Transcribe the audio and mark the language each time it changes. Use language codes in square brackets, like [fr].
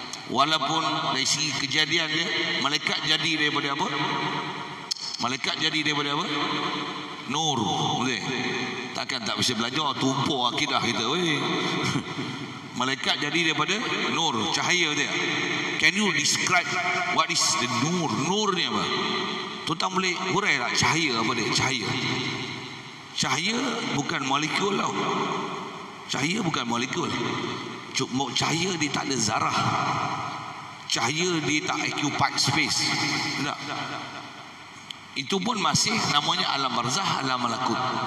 [ms] Walaupun dari segi kejadian dia, malaikat jadi daripada apa? Malaikat jadi daripada apa? Nur. Okay. Takkan tak bisa belajar, tumpuk akidah kita. Malaikat jadi daripada nur, cahaya dia. [en] Can you describe what is the nur? [ms] Nur ni apa? Tuan-tuan boleh hurai tak cahaya apa dia? Cahaya. Cahaya bukan molekul tau. Cahaya bukan molekul. Cuma cahaya dia tak ada zarah. Cahaya dia tak occupy space. Tak? Itu pun masih namanya alam barzah, alam malakut.